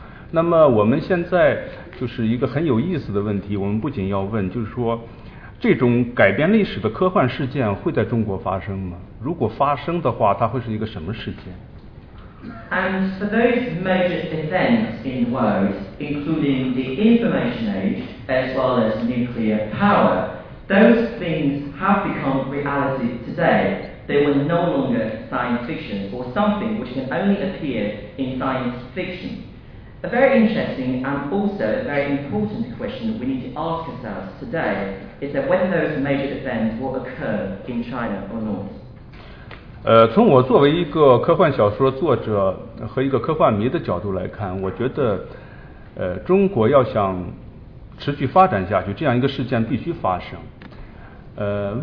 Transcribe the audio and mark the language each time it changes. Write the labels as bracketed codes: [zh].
[zh] 那么我们现在就是一个很有意思的问题，我们不仅要问，就是说这种改变历史的科幻事件会在中国发生吗？如果发生的话，它会是一个什么事件？ [en] And for those major events in the world, including the information age, as well as nuclear power, those things have become reality today. They were no longer science fiction or something which can only appear in science fiction. A very interesting and also a very important question we need to ask ourselves today is that whether those major events will occur in China or not. [zh] 从我作为一个科幻小说作者和一个科幻迷的角度来看，我觉得中国要想持续发展下去，这样一个事件必须发生。